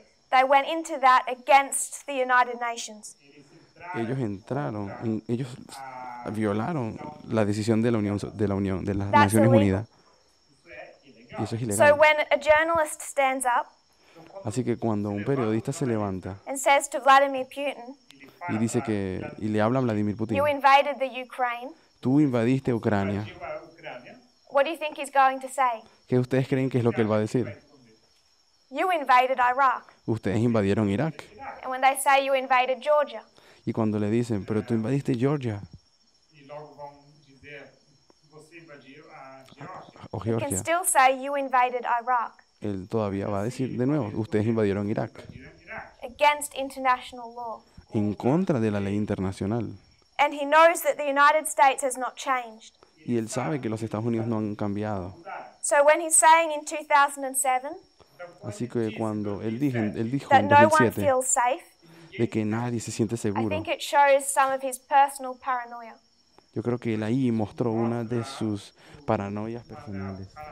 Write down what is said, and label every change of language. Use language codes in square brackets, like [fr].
[en] They went into that against the United Nations. [es] Ellos entraron, ellos violaron la decisión de la Unión, de las [en] That's [es] Naciones [en] illegal. [es] Unidas. Y eso es ilegal. [en] So when a journalist stands up, [es] así que cuando un periodista se levanta [en] and says to Vladimir Putin, [es] y dice que, y le habla a Vladimir Putin, [en] you invaded the Ukraine, [es] tú invadiste Ucrania, [en] what do you think he's going to say? [es] ¿Qué ustedes creen que es lo que él va a decir? [en] You invaded Iraq. [es] Ustedes invadieron Irak. [en] And when they say you invaded Georgia. [es] Y cuando le dicen, pero tú invadiste Georgia. Y luego van a decir, você invadió a Georgia. O Georgia. [en] Can still say you invaded Iraq. [es] Él todavía va a decir de nuevo, ustedes invadieron Irak. [en] Against international law. [es] En contra de la ley internacional. [en] And he knows that the United States has not changed. [es] Y él sabe que los Estados Unidos no han cambiado. [en] So when he's saying in 2007, [es] así que cuando él dijo en 2007 [en] no one feels safe, [es] de que nadie se siente seguro, [en] I think it shows some of his personal paranoia. [es] Yo creo que él ahí mostró una de sus paranoias personales.